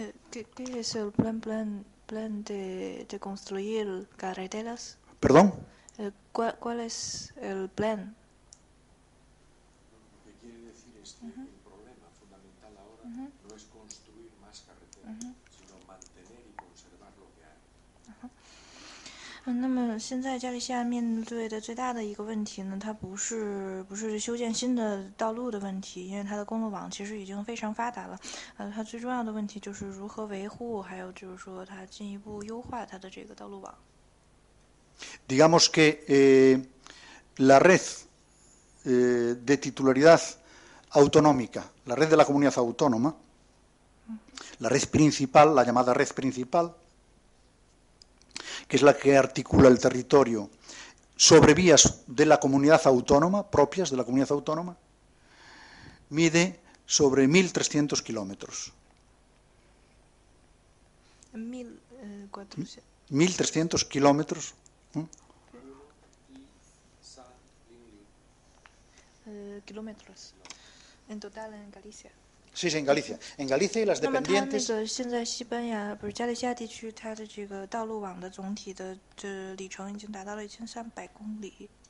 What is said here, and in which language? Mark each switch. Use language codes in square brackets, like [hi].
[es] ¿Qué es el plan de construir carreteras? ¿Perdón? ¿Cuál es el plan? Lo que quiere decir es que el problema fundamental ahora no es construir más carreteras, sino mantener y conservar lo que hay. [zh] 那么现在加利西亚面对的最大的一个问题呢，它不是修建新的道路的问题，因为它的公路网其实已经非常发达了，它最重要的问题就是如何维护，还有就是说它进一步优化它的这个道路网。 [es] Digamos que la red de titularidad autonómica, la red de la comunidad autónoma, la red principal, la llamada red principal,que es la que articula el territorio sobre vías de la comunidad autónoma, propias de la comunidad autónoma, mide sobre 1.300 kilómetros. 1.300 kilómetros. Kilómetros. En total en Galicia. Sí, sí, en Galicia. En Galicia y las dependientes. [zh] 那么它那个现在西班牙不是加利西亚地区，它的这个道路网的总体的这里程已经达到了1300公里。